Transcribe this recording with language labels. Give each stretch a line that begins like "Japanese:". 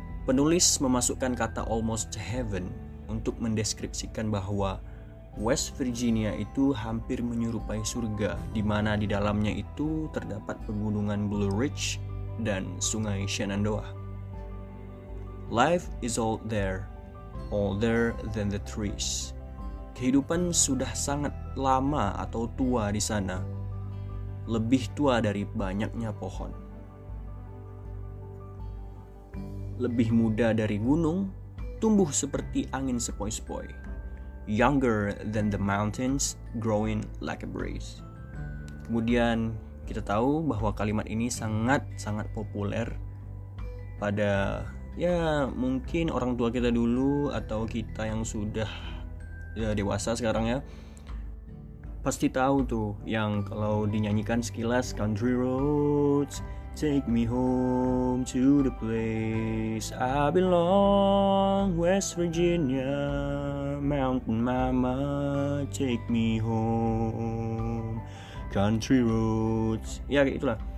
Indonesian: Penulis memasukkan kata Almost Heaven untuk mendeskripsikan bahwa West Virginia itu hampir menyerupai surga, di mana di dalamnya itu terdapat pegunungan Blue Ridge dan Sungai Shenandoah.
English: Life is old there, older than the trees.
Indonesian: kehidupan sudah sangat lama atau tua di sana. Lebih tua dari banyaknya pohon. Lebih muda dari gunung, tumbuh seperti angin sepoi-sepoi.
English: Younger than the mountains, growing like a breeze.
Indonesian: Kemudian kita tahu bahwa kalimat ini sangat-sangat populer pada ya mungkin orang tua kita dulu atau kita yang sudah ya, dewasa sekarang ya. Pasti tahu tuh yang kalau dinyanyikan sekilas
English: country roads take me home to the place I belong, West Virginia mountain mama take me home, country roads.
Indonesian: Ya itulah.